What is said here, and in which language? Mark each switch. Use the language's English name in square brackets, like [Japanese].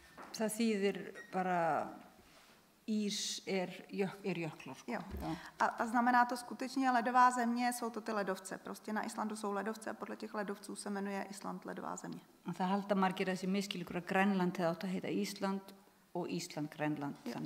[Icelandic] Það þýðir bara ís er jöklar. [Czech] A znamená to skutečně ledová země, jsou to ty ledovce. Prostě na Islandu jsou ledovce a podle těch ledovců se jmenuje Island ledová země. [Icelandic] A það halda margir að sem miskilíkur að Grænland hefði átt að heita Ísland og Ísland Grænland.